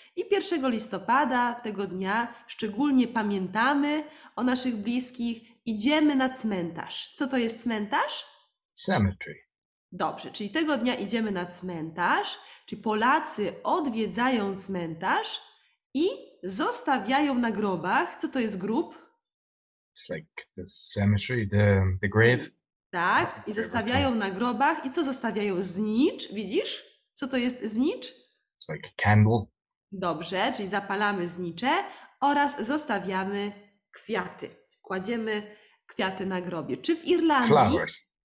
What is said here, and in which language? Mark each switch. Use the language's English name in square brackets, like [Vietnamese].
[Polish] I 1 listopada tego dnia szczególnie pamiętamy o naszych bliskich, idziemy na cmentarz. Co to jest cmentarz? [English] Cemetery. [Polish] Dobrze, czyli tego dnia idziemy na cmentarz, czyli Polacy odwiedzają cmentarz i zostawiają na grobach. Co to jest grób? [English] It's like the cemetery, the grave. [Polish] Tak, i zostawiają na grobach. I co zostawiają? Znicz, widzisz? Co to jest znicz? [English] It's like a candle. [Polish] Dobrze, czyli zapalamy znicze oraz zostawiamy kwiaty. Kładziemy kwiaty na grobie. Czy w Irlandii? [English] Flowers.